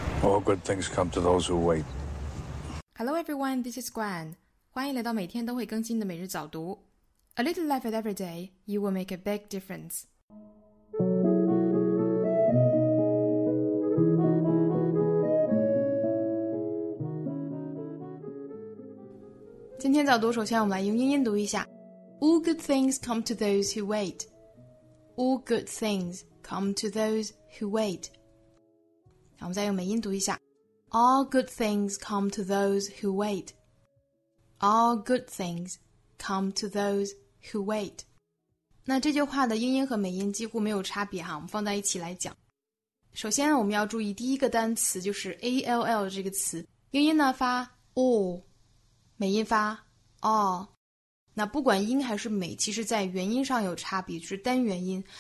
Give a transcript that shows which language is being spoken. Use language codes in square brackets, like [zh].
[en] All good things come to those who wait. Hello everyone, this is Gwen. [zh] 欢迎来到每天都会更新的每日早读。 [en] A little life at every day, you will make a big difference. All good things come to those who wait. All good things come to those who wait. [zh] 我们再用美音读一下。 [en] All good things come to those who wait. All good things come to those who wait. [zh] 那这句话的英音和美音几乎没有差别哈，我们放在一起来讲。首先我们要注意第一个单词就是 ALL 这个词。英音呢发 all, 美音发 all。那不管音还是美，其实在元音上有差别，就是单元音。